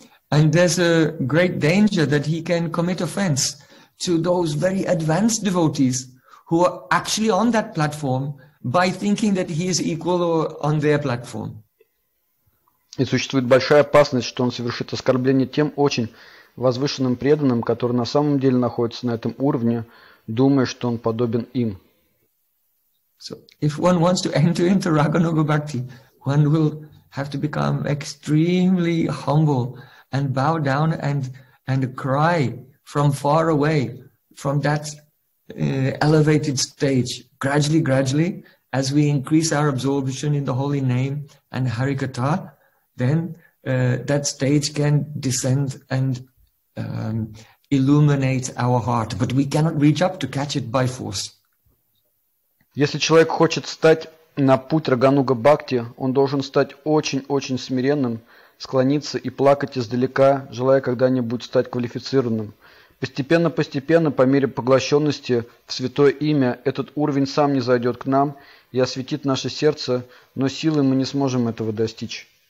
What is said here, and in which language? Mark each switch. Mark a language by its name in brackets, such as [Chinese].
[English] And there's a great danger that he can commit offense to those very advanced devotees who are actually on that platform by thinking that he is equal or on their platform. [Russian] И существует большая опасность, что он совершит оскорбление тем очень возвышенным преданным, которые на самом деле находятся на этом уровне, думая, что он подобен им. [English] So, if one wants to enter into Raganuga Bhakti, one will have to become extremely humble and bow down and cry from far away from that elevated stage, gradually, as we increase our absorption in the holy name and Harikatha, then that stage can descend and illuminate our heart, but we cannot reach up to catch it by force. [Russian] Если человек хочет стать на путь Рагануга Бхакти, он должен стать очень-очень смиренным, склониться и плакать издалека, желая когда-нибудь стать квалифицированным. Постепенно, по мере поглощенности в святое имя, этот уровень сам не зайдет к нам и осветит наше сердце, но силой мы не сможем этого достичь.